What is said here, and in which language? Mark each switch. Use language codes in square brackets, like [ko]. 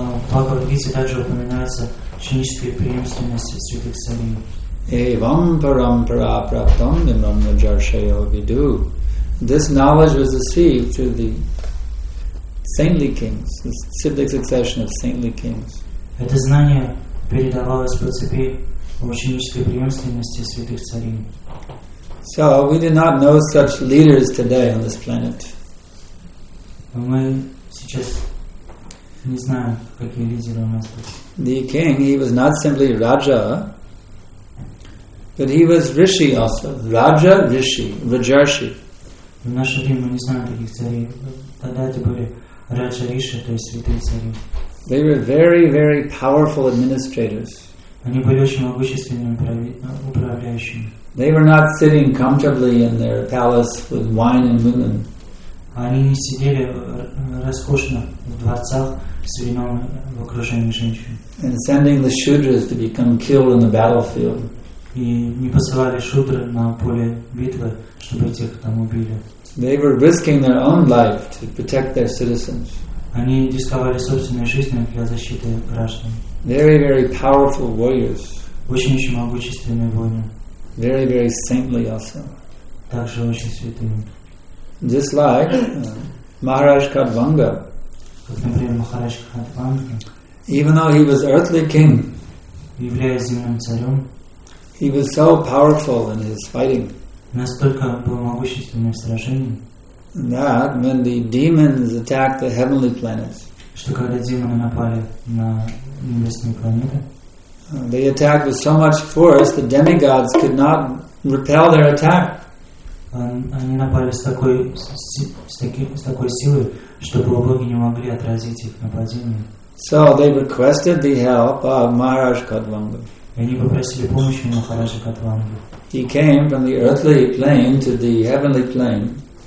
[ru] Bhagavad Gita также упоминается чиническая преемственность святых царей. [sa] Evam parampara praptam mimam najarshaya vidu. [en] This knowledge was received through the saintly kings, the disciplic succession of saintly kings. [ru] Это знание передавалось по цепи ученической преемственности святых царей. [en] So we do not know such leaders today on this planet. [ru] Мы сейчас не знаем, какие лидеры у нас тут. [en] The king, he was not simply Raja, but he was Rishi also. [sa] Raja, Rishi, Vajarshi. [ru] В наше время мы не знаем таких царей. Тогда это были Раджа Риши, то есть святые цари. [en] They were very, very powerful administrators. [ru] Они были очень могущественными управляющими. [en] They were not sitting comfortably in their palace with wine and women. [ru] Они не сидели роскошно в дворцах с вином в окружении женщин. [en] And sending the shudras to become killed on the battlefield. [ru] И не посылали шудры на поле битвы, чтобы тех там убили. [en] They were risking their own life to protect their citizens. [ru] Они рисковали собственной жизнью для защиты граждан. [en] Very, very powerful warriors. [ru] Очень-очень могущественные воины. [en] Very, very saintly also. [ru] Также очень святые. [en] Just like Maharaj Kadvanga. [ru] Как, например, Maharaj Kadvanga. [en] Even though he was earthly king, [ru] являясь земным царем, [en] he was so powerful in his fighting. [ru] Настолько был могущественным в сражении. [en] That when the demons attacked the heavenly planets, [ru] что когда демоны напали на небесные планеты, [en] they attacked with so much force the demigods could not repel their attack. [ru] Они напали с такой силой, что боги не могли отразить их нападение. [en] So they requested the help of Maharaj Kadvanga. [ru] Они попросили помощи Махараджа Кадванги. [en] He came from the earthly plane to the heavenly plane.